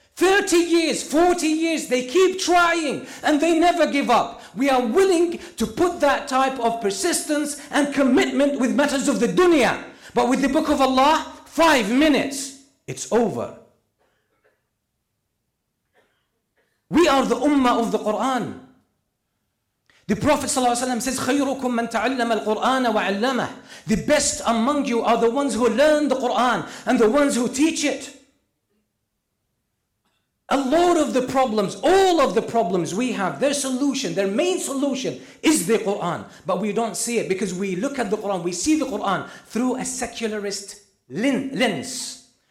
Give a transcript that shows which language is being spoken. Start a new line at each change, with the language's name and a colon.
English: 30 years, 40 years, they keep trying and they never give up. We are willing to put that type of persistence and commitment with matters of the dunya. But with the Book of Allah, 5 minutes, it's over. We are the ummah of the Quran. The Prophet ﷺ says,
Arabic: خَيْرُكُمْ مَنْ تَعَلَّمَ الْقُرْآنَ وَعَلَّمَهُ.
English: The best among you are the ones who learn the Quran and the ones who teach it. A lot of the problems, all of the problems we have, their solution, their main solution is the Quran. But we don't see it because we look at the Quran, we see the Quran through a secularist lens.